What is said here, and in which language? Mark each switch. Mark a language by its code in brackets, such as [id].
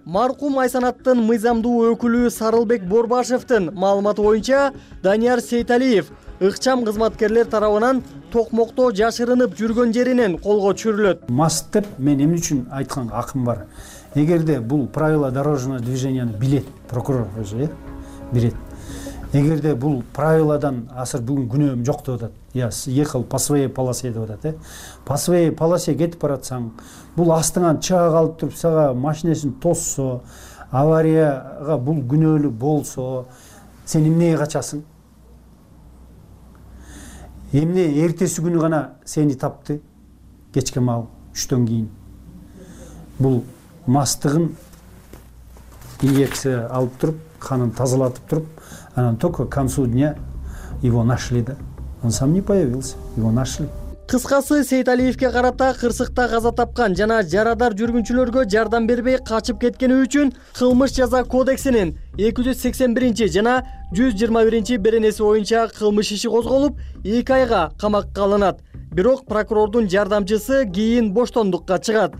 [ky] Маркум Айсанаттын мыйзамдуу өкүлү Сарылбек Борбашевдин маалыматы боюнча, Данияр Сейиталиев ыкчам кызматкерлер тарабынан Токмокто жашырынып жүргөн жеринен колго түшүрүлөт. Маст деп мен эмне үчүн айткан акым бар? Эгерде бул [ru] правила дорожного [ky] движенияны билет прокурор өзү билет. Эгерде бул правиладан азыр бүгүн күнөөм жок деп атат. [ru] Я съехал по своей полосе [ky] деп атат, э? [ru] По своей полосе [ky] кетип баратсаң, бул астыңан чыга калып туруп сага машинесин тоссо, аварияга бул күнөөлүү болсо, сен эмнеге качасың? Эмне эртеси күнү гана сени тапты? Кечке маал 3:00 кийин. Бул мастыгын инъекция алып туруп, канын тазалатып туруп, анан [ru] только к концу дня его нашли, [ky] да? [ru] Он сам не появился, его нашли. [ky] Кыскасы, Сейиталиевке карата кырсыкта каза тапкан жана жарадар жүргүнчүлөргө жардам бербей качып кеткени үчүн кылмыш жаза кодексинин 281 жана 121 беренеси боюнча кылмыш иши козголуп, 2 айга камакка алынат. Бирок прокурордун жардамчысы кийин боштондукка чыгат.